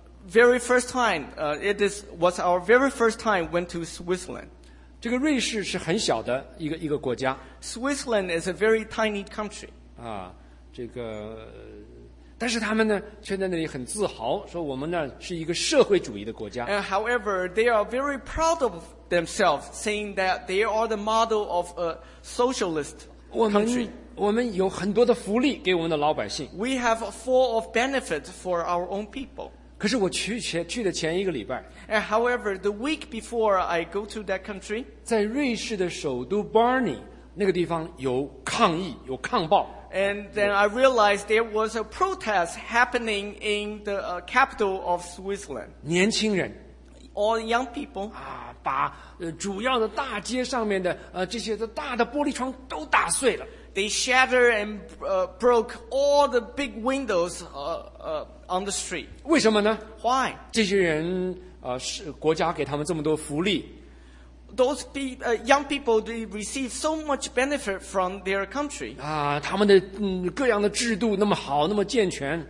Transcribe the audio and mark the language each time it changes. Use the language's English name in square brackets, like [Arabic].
[English] Very first time, it was our very first time went to Switzerland. [Chinese] 这个瑞士是很小的一个国家。 [English] Switzerland is a very tiny country. [Chinese] 这个但是他们呢却在那里很自豪，说我们呢是一个社会主义的国家。 [English] And however, they are very proud of themselves, saying that they are the model of a socialist country. [Chinese] 我们有很多的福利给我们的老百姓。 [English] We have full of benefits for our own people. [Chinese] 可是我去的前一个礼拜， [English] And however, the week before I go to that country, [Chinese] 在瑞士的首都 Barney 那个地方有抗议，有抗暴。 [English] And then I realized there was a protest happening in the capital of Switzerland. [Chinese] 年轻人 [English] All young people. [Chinese] 啊，把主要的大街上面的这些的大的玻璃窗都打碎了。 [English] They shattered and broke all the big windows on the street. [Chinese] 为什么呢？ [English] Why? [Chinese] 这些人是国家给他们这么多福利。 [English] Those young people, they receive so much benefit from their country. [Chinese] 啊，他们的各样的制度那么好，那么健全。